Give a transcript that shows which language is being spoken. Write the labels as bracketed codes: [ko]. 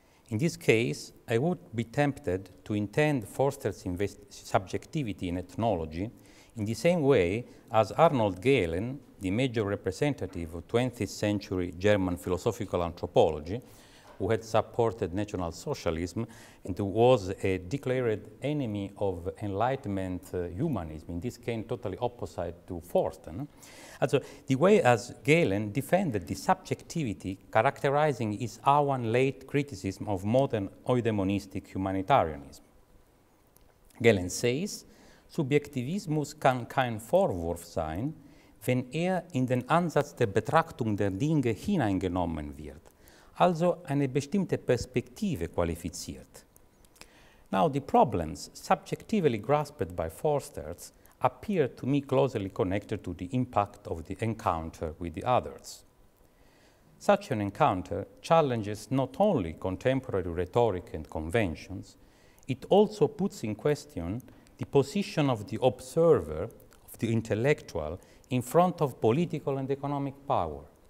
[en] In this case, I would be tempted to intend Forster's subjectivity in ethnology in the same way as Arnold Gehlen, the major representative of 20th century German philosophical anthropology, who had supported National Socialism and who was a declared enemy of Enlightenment humanism, in this case totally opposite to Forster. No? And so the way as Gehlen defended the subjectivity characterizing his Awan late criticism of modern eudaimonistic humanitarianism. Gehlen says, [de] Subjektivismus kann kein Vorwurf sein, wenn in den Ansatz der Betrachtung der Dinge hineingenommen wird, also eine bestimmte Perspektive qualifiziert. [en] Now the problems subjectively grasped by Forsters appear to me closely connected to the impact of the encounter with the others. Such an encounter challenges not only contemporary rhetoric and conventions, it also puts in question the position of the observer, of the intellectual, in front of political and economic power.